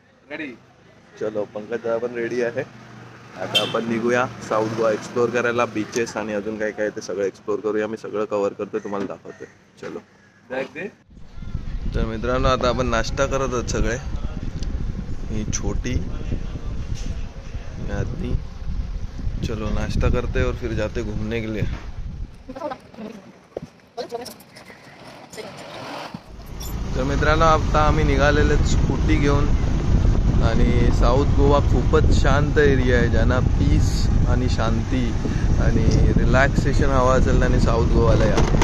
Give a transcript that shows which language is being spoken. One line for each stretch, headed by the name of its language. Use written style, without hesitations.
English: Ready.
Marathi: चलो पंकज दादा पण रेडी आहे. आता आपण निघूया साऊथ गोवा एक्सप्लोअर करायला. बीचेस आणि अजून काय काय ते सगळं एक्सप्लोअर करूया. मी सगळं कव्हर करतो, तुम्हाला दाखवतोय. चलो तर मित्रांनो, आता आपण नाश्ता करत आहोत सगळे. ही छोटी यादी,
Hindi: चलो नाश्ता करते और फिर जाते घूमने के लिए.
Marathi: तर मित्रांनो, आता आम्ही निघालेले स्कूटी घेऊन. आणि साऊथ गोवा खूपच शांत एरिया आहे, ज्यांना पीस आणि शांती आणि रिलॅक्सेशन हवा असेल आणि साऊथ गोवाला या.